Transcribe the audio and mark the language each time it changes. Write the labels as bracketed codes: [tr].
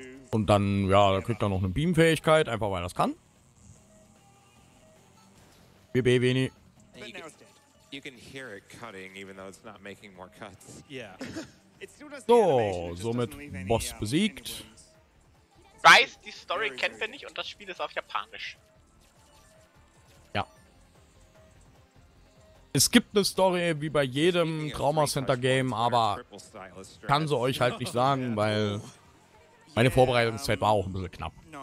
[de] Und dann, ja, da kriegt er noch eine Beam-Fähigkeit, einfach weil er das kann. BB, Veni. [en] You can hear it cutting, even though it's not making more cuts. [de] So, somit Boss besiegt. Rise, die Story kennt man nicht und das Spiel ist auf Japanisch. Ja. Es gibt eine Story wie bei jedem Trauma Center Game, aber kann sie euch halt nicht sagen, weil meine Vorbereitungszeit war auch ein bisschen knapp.